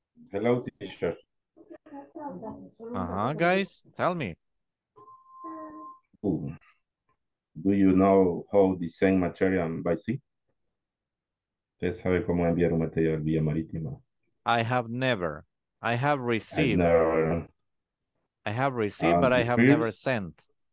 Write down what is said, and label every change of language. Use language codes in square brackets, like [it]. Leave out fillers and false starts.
[en] Hello, teacher. Uh-huh, guys, tell me. Do you know how to design material by sea? [es] ¿Usted sabe cómo enviar un material vía marítima? [en] I have never. I have received. Never. I have received, but I have first, never sent.